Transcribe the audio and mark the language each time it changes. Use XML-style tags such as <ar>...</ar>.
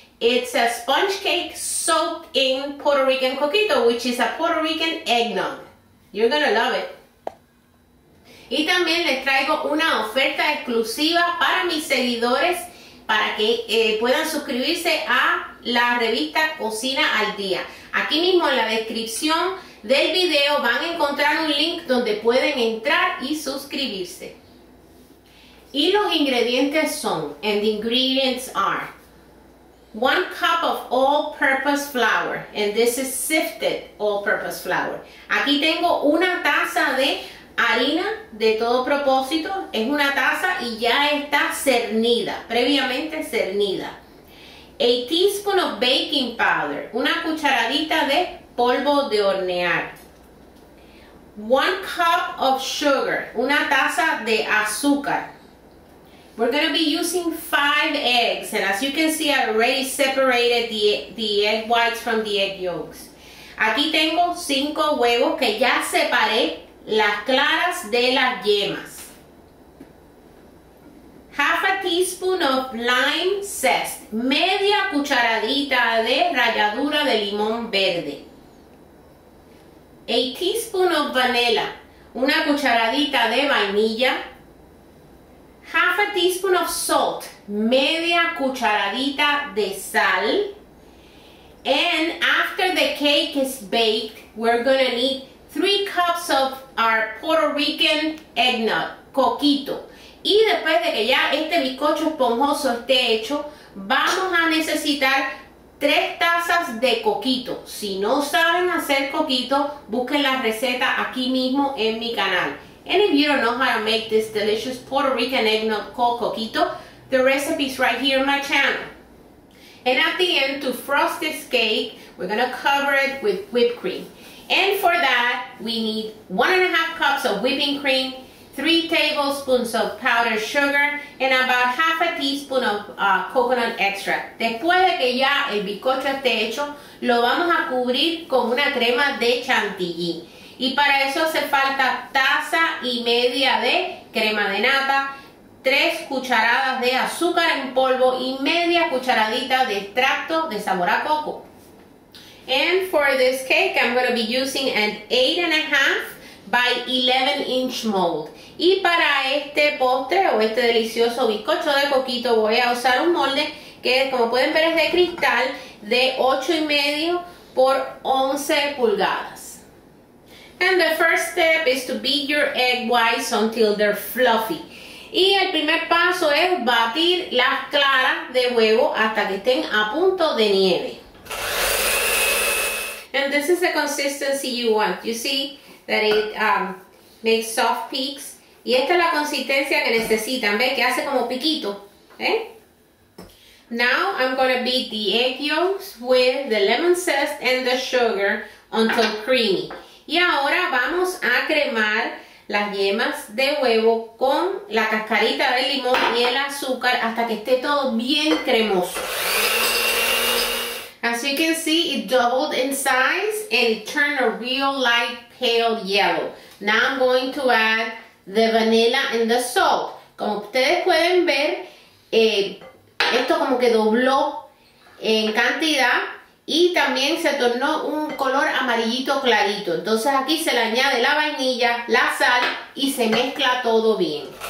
<en>It's a sponge cake soaked in Puerto Rican coquito, which is a Puerto Rican eggnog. You're gonna love it.</en> <es>Y también les traigo una oferta exclusiva para mis seguidores, para que puedan suscribirse a la revista Cocina al Día. Aquí mismo en la descripción del video van a encontrar un link donde pueden entrar y suscribirse. Y los ingredientes son,</es> <en>and the ingredients are, 1 cup of all-purpose flour, and this is sifted all-purpose flour.</en> <es>Aquí tengo una taza de harina de todo propósito, es una taza y ya está cernida, previamente cernida.</es> <en>1 teaspoon of baking powder,</en> <es>una cucharadita de polvo de hornear.</es> <en>1 cup of sugar,</en> <es>una taza de azúcar.</es> <en>We're going to be using 5 eggs, and as you can see, I already separated the egg whites from the egg yolks.</en> <es>Aquí tengo 5 huevos que ya separé las claras de las yemas.</es> <en>1/2 teaspoon of lime zest,</en> <es>media cucharadita de ralladura de limón verde.</es> <en>1 teaspoon of vanilla,</en> <es>una cucharadita de vanilla.</es> <en>1/2 teaspoon of salt,</en> <es>media cucharadita de sal.</es> <en>And after the cake is baked, we're gonna need 3 cups of our Puerto Rican eggnog, coquito.</en> <es>Y después de que ya este bizcocho esponjoso esté hecho, vamos a necesitar 3 tazas de coquito. Si no saben hacer coquito, busquen la receta aquí mismo en mi canal.</es> <en>And if you don't know how to make this delicious Puerto Rican eggnog called coquito, the recipe is right here on my channel. And at the end, to frost this cake, we're going to cover it with whipped cream. And for that, we need 1 1/2 cups of whipping cream, 3 tablespoons of powdered sugar, and about 1/2 teaspoon of coconut extract.</en> <es>Después de que ya el bizcocho esté hecho, lo vamos a cubrir con una crema de chantilly. Y para eso hace falta 1.5 tazas de crema de nata, 3 cucharadas de azúcar en polvo y 1/2 cucharadita de extracto de sabor a coco.</es> <en>And for this cake, I'm going to be using an 8.5 by 11 inch mold.</en> <es>Y para este postre o este delicioso bizcocho de coquito, voy a usar un molde que, como pueden ver, es de cristal de 8.5 por 11 pulgadas.</es> <en>And the first step is to beat your egg whites until they're fluffy.</en> <es>Y el primer paso es batir las claras de huevo hasta que estén a punto de nieve.</es> <en>And this is the consistency you want. You see that it makes soft peaks.</en> <es>Y esta es la consistencia que necesitan. ¿Ves? Que hace como piquito. ¿Eh?</es> <en>Now I'm going to beat the egg yolks with the lemon zest and the sugar until creamy.</en> <es>Y ahora vamos a cremar las yemas de huevo con la cascarita de limón y el azúcar hasta que esté todo bien cremoso.</es> <en>As you can see, it doubled in size and it turned a real light pale yellow. Now I'm going to add the vanilla and the salt.</en> <es>Como ustedes pueden ver, esto como que dobló en cantidad. Y también se tornó un color amarillito clarito. Entonces aquí se le añade la vainilla, la sal y se mezcla todo bien.</es>